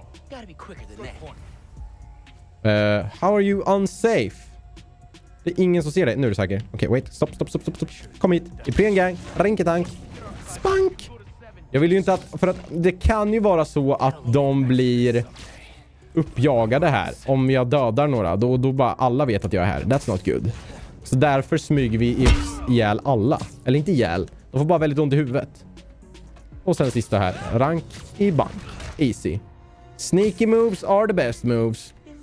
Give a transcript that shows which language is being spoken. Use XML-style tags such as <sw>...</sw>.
<en>Gotta be quicker than that. How are you unsafe?</en> <sv>Det är ingen som ser dig. Nu är du säker. Okej, wait. Stopp. Kom hit. Ipren gang. Rinketank. Spank! Jag vill ju inte att... För att det kan ju vara så att de blir uppjagade här. Om jag dödar några. Då bara alla vet att jag är här.</sv> <en>That's not good.</en> <sv>Så därför smyger vi ihjäl alla. Eller inte ihjäl. De får bara väldigt ont i huvudet. Och sen sista här. Rank i bank. Easy.</sv> <en>Sneaky moves are the best moves.</en>